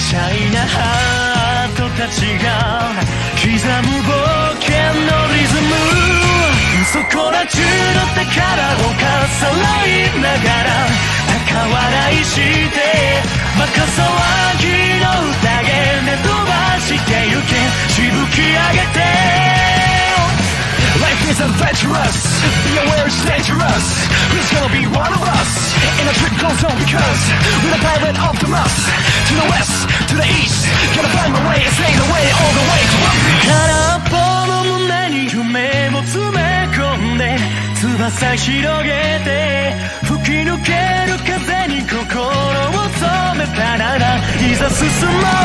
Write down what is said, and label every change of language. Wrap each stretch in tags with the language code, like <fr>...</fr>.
<ja>シャイなハートたちが刻む冒険のリズム、そこら中の宝をかさらいながら高笑いして、バカ騒ぎの宴で飛ばしてゆけ、しぶき上げて。</ja> <en>Life is adventurous, be aware it's dangerous. Who's gonna be one of us in a tropical zone? Because we're the pirate Optimus. To the west, to the east, gotta find my way, it's made the way, all the way to one piece.</en> <ja>空っぽの胸に夢を詰め込んで翼広げて、吹き抜ける風に心を止めたなら、いざ進もう。</ja>